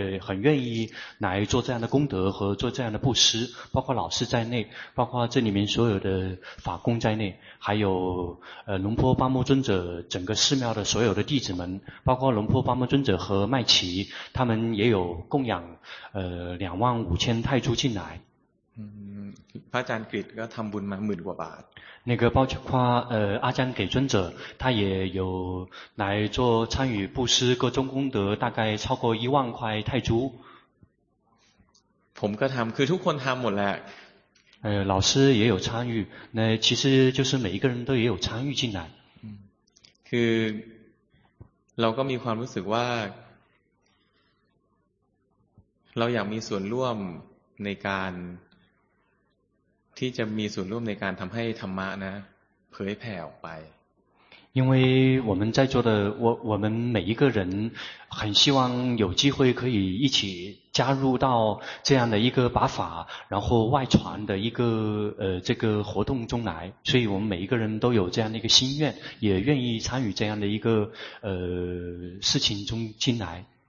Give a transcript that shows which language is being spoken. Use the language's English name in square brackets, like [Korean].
[Chinese] 很愿意来做这样的功德和做这样的布施包括老师在内包括这里面所有的法工在内还有龙婆巴木尊者整个寺庙的所有的弟子们包括龙婆巴木尊者和麦琪他们也有供养25,000泰铢进来 [Thai] พระอาจารย์กฤตก็ทำบุญมา10,000 กว่าบาท [Chinese] 那个包括阿江给尊者他也有来做参与布施各种功德大概超过10,000 泰铢 [Thai] ผมก็ทำคือทุกคนทำหมดแหละ [Chinese] 老师也有参与那其实就是每一个人都也有参与进来 [Thai] คือเราก็มีความรู้สึกว่าเราอยากมีส่วนร่วมในการที่จะมีส่วนร่วมในการทำให้ธรรมะนะเผยแผ่ออกไป [Chinese] 因为我们在座的我们每一个人很希望有机会可以一起加入到这样的一个把法然后外传的一个这个活动中来，所以我们每一个人都有这样的一个心愿，也愿意参与这样的一个事情中进来。